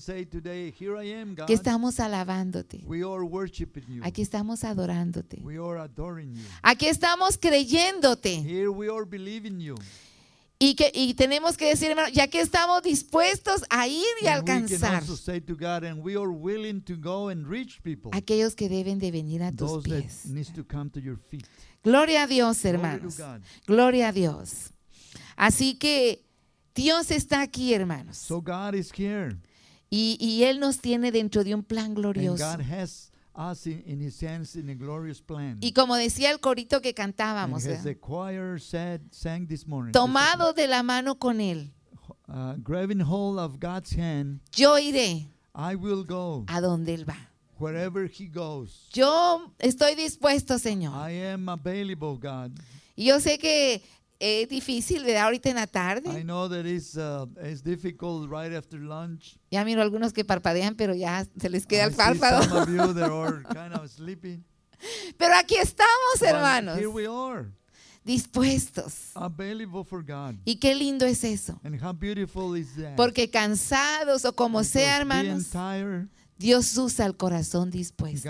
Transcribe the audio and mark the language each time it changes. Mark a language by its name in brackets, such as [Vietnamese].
[English] Today, am, [Spanish] que estamos alabándote. [English] We are worshiping you. [Spanish] Aquí estamos adorándote. [English] We are adoring you. [Spanish] Aquí estamos creyéndote. [English] Here we are believing you. [Spanish] Y tenemos que decir, hermanos, ya que estamos dispuestos a ir y [English] and [Spanish] alcanzar. [English] We can also say to God, and we are willing to go and reach people. [Spanish] Aquellos que deben de venir a tus [English] those [Spanish] pies. [English] That needs to come to your feet. [Spanish] Gloria a Dios, hermanos. Gloria a Dios. Así que Dios está aquí, hermanos. [English] So God is here. [Spanish] Y Él nos tiene dentro de un plan glorioso. [English] And God has us in His hands in a glorious plan. [Spanish] Y como decía el corito que cantábamos, [English] and as the choir sang this morning, [Spanish] tomado de la mano con Él, [English] grabbing hold of God's hand, [Spanish] yo iré. [English] I will go. [Spanish] A donde Él va. [English] Wherever he goes. [Spanish] Yo estoy dispuesto, Señor. [English] I am available, God. [Spanish] Yo sé que es difícil, ¿verdad? Ahorita en la tarde. [English] I know that it's difficult right after lunch. [Spanish] Ya miro algunos que parpadean, pero ya se les queda el párpado. [English] Some of you that are kind of sleeping. [Spanish] Pero aquí estamos, hermanos. [English] Here we are. [Spanish] Dispuestos. [English] Available for God. [Spanish] Y qué lindo es eso. [English] And how beautiful is that. [Spanish] Porque cansados o como [English] because [Spanish] sea, hermanos. Dios usa el corazón dispuesto.